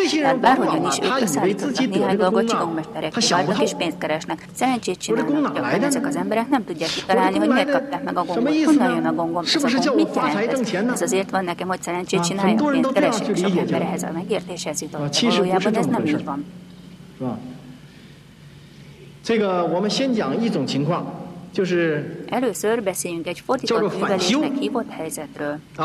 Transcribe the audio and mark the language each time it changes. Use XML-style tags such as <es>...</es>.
<hu>Tehát bárhogyan is ők összeállítottak néhány dolgot, csigongmesterekké váltak és pénzt keresnek. Szerencsét csinálnak, gyakran ezek az emberek nem tudják kitalálni, hogy miért kapták meg a gongot. Honnan jön a gongom? Ez a gong mit jelent? Ez azért van nekem, hogy szerencsét csináljak, pénzt keresek, sok ember ehhez a megértéshez jutott. De valójában ez nem így van.</hu> <zh>这个我们先讲一种情况 就是,</zh> <hu>először beszéljünk egy fordított művelésnek hívott helyzetről.</hu>